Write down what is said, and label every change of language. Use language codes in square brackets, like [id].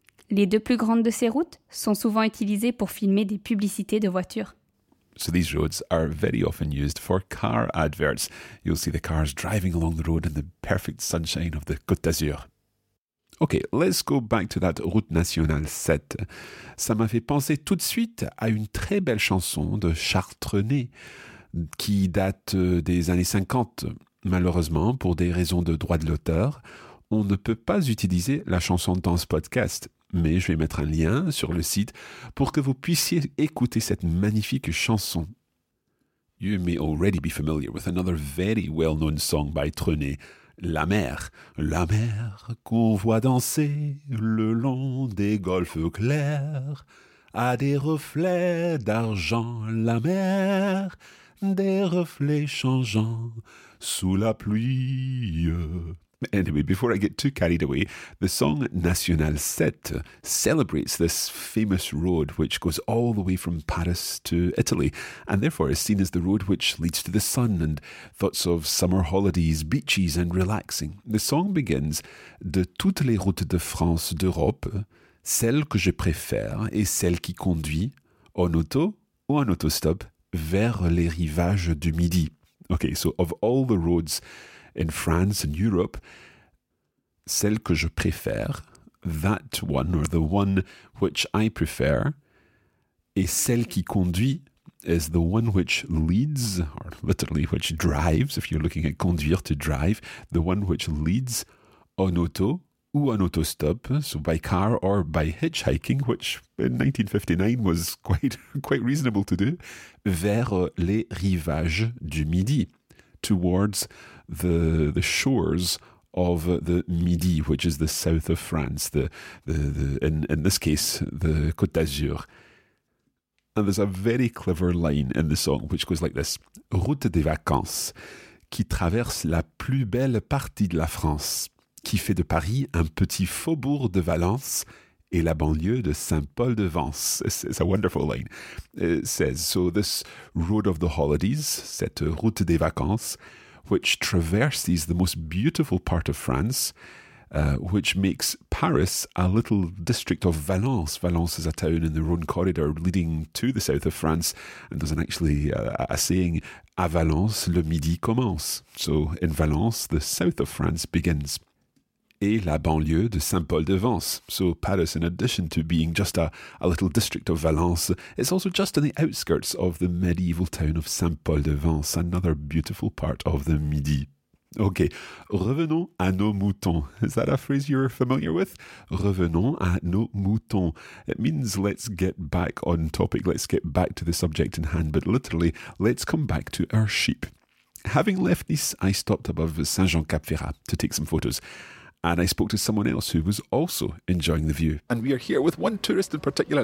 [fr] Les deux plus grandes de ces routes sont souvent utilisées pour filmer des publicités de voitures. [en] So these roads are very often used for car adverts. You'll see the cars driving along the road in the perfect sunshine of the Côte d'Azur. Okay, let's go back to that route nationale 7. [fr] Ça m'a fait penser tout de suite à une très belle chanson de Charles Trenet qui date des années 50. Malheureusement, pour des raisons de droit de l'auteur, on ne peut pas utiliser la chanson dans ce podcast. Mais je vais mettre un lien sur le site pour que vous puissiez écouter cette magnifique chanson. [en] You may already be familiar with another very well-known song by Trenet, [fr] La mer qu'on voit danser le long des golfes clairs, a des reflets d'argent, la mer, des reflets changeants sous la pluie. [en] Anyway, before I get too carried away, the song National 7 celebrates this famous road which goes all the way from Paris to Italy, and therefore is seen as the road which leads to the sun and thoughts of summer holidays, beaches and relaxing. The song begins, [fr] De toutes les routes de France d'Europe, celle que je préfère est celle qui conduit, en auto ou en autostop, vers les rivages du Midi. [en] Okay, so of all the roads in France and Europe, [fr] celle que je préfère, [en] that one, or the one which I prefer, [fr] et celle qui conduit, [en] is the one which leads, or literally which drives, if you're looking at conduire, to drive, the one which leads [fr] en auto ou en autostop, [en] so by car or by hitchhiking, which in 1959 was quite reasonable to do, [fr] vers les rivages du Midi. [en] Towards the shores of the Midi, which is the south of France, in this case, the Côte d'Azur. And there's a very clever line in the song, which goes like this. [fr] Route des vacances, qui traverse la plus belle partie de la France, qui fait de Paris un petit faubourg de Valence et la banlieue de Saint-Paul-de-Vence. [en] It's a wonderful line. It says, so this road of the holidays, [fr] cette route des vacances, [en] which traverses the most beautiful part of France, which makes Paris a little district of Valence. Valence is a town in the Rhone corridor leading to the south of France, and there's a saying, [fr] à Valence, le midi commence. [en] So in Valence, the south of France begins. [fr] Et la banlieue de Saint-Paul-de-Vence. [en] So Paris, in addition to being just a little district of Valence, it's also just on the outskirts of the medieval town of Saint-Paul-de-Vence, another beautiful part of the Midi. [fr] Okay, revenons à nos moutons. [en] Is that a phrase you're familiar with? [fr] Revenons à nos moutons. [en] It means let's get back on topic, let's get back to the subject in hand, but literally, let's come back to our sheep. Having left Nice, I stopped above Saint-Jean-Cap-Ferrat to take some photos. And I spoke to someone else who was also enjoying the view. And we are here with one tourist in particular.